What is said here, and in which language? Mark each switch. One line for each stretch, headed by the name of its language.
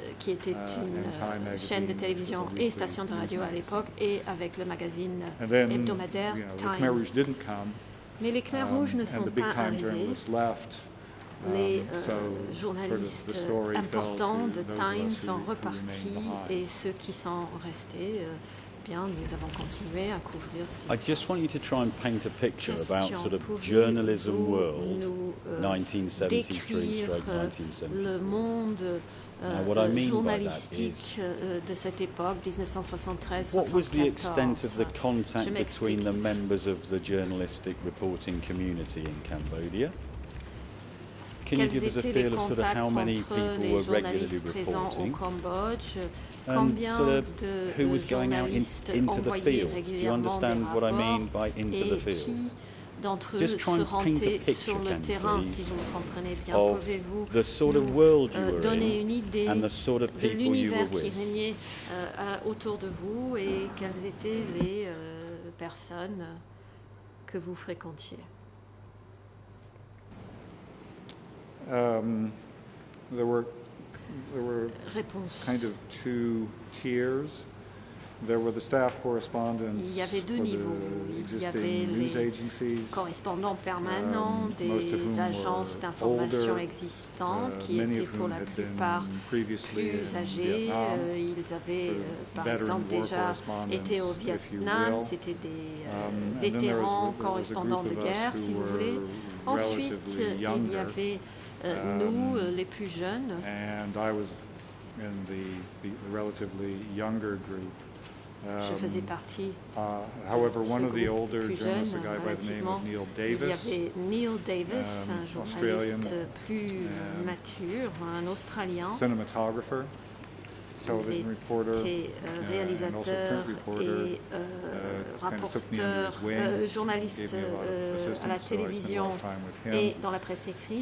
French: qui était une chaîne de télévision et station de radio à l'époque, et avec le magazine hebdomadaire Time. Mais les Khmer Rouges ne sont pas arrivés. Les journalistes importants de Time sont repartis et ceux qui sont restés, bien, nous avons continué à couvrir cette histoire.
English: I just want you to try and paint a picture about sort of journalism world 1973/1974.
French: Le monde journalistique de cette époque, 1973-1974.
English: What was the extent of the contact between the members of the journalistic reporting community in Cambodia? Can you give us a feel of sort of how many people were regularly reporting? Who was going out into the field? Do you understand what I mean by into the field? Just try and paint a picture, can you please, of the sort of world you were in and the sort of people you were with.
French: Autour de vous et quelles étaient les personnes que vous fréquentiez.
English: There were kind of two tiers. There were the staff correspondents.
French: Il y avait deux niveaux. Il y avait
English: news agencies,
French: les correspondants permanents des agences d'information existantes qui étaient pour la plupart plus âgés. Ils avaient, par exemple, déjà été au Vietnam. C'était des vétérans correspondants de guerre, si vous voulez. Ensuite, il y avait nous, les plus jeunes.
English: And I was in the relatively younger group.
French: Je faisais partie.
English: However,
French: de
English: one
French: ce
English: of the older journalists, a guy by the name of Neil Davis,
French: il y avait Neil Davis, un journaliste plus mature, un Australien,
English: cinematographer, television reporter,
French: réalisateur et rapporteur, journaliste à la télévision et dans la presse écrite.